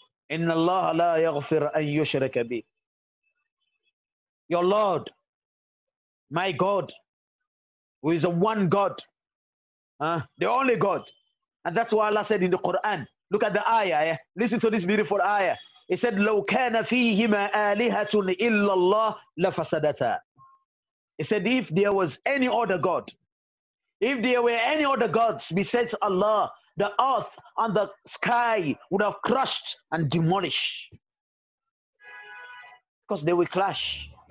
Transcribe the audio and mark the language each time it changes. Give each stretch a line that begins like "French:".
Arabic: إِنَّ اللَّهَ لَا يَغْفِرَ أَن يُشْرَكَ بِهِ.
English: Your Lord, my God, who is the one God, the only God. And that's why Allah said in the Quran, look at the ayah, yeah? Listen to this beautiful ayah. He said,
Arabic: لَوْ كَانَ فِيهِمَا آلِهَةٌ إِلَّا اللَّهِ لَفَسَدَتَا.
English: He said, if there was any other God, if there were any other gods besides Allah, the earth and the sky would have crushed and demolished. Because they will clash.